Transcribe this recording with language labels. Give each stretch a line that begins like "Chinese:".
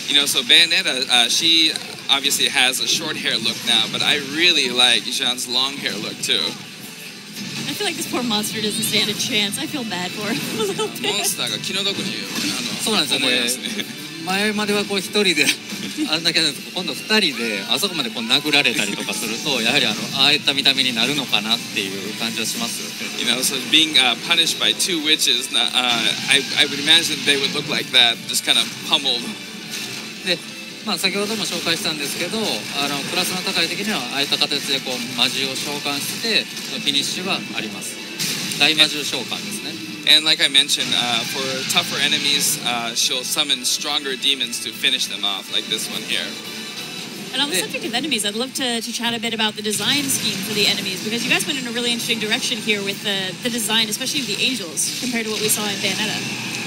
English: You know, so Bayonetta, she obviously has a short hair look now, but I really like Jean's long hair look too. I feel like this poor monster doesn't stand a chance. I feel bad for him a little bit.
Japanese: モンスターが気の毒に言う。そうなんですよね。前まではこう一人であんだけなんですけど、今度二人であそこまでこう殴られたりとかすると、やはりああいった見た目になるのかなっていう感じはしますよ。
English: You know, so being punished by two witches, I would imagine they would look like that, just kind of pummeled.
Japanese: で、まあ先ほども紹介したんですけど、クラスの高い時にはああいった形でこう魔獣を召喚して、フィニッシュはあります。大魔獣召喚ですね。
English: And like I mentioned, for tougher enemies, she'll summon stronger demons to finish them off, like this one here. And on the subject of enemies, I'd love to chat a bit about the design scheme for the enemies, because you guys went in a really interesting direction here with the design, especially of the angels, compared to what we saw in Bayonetta.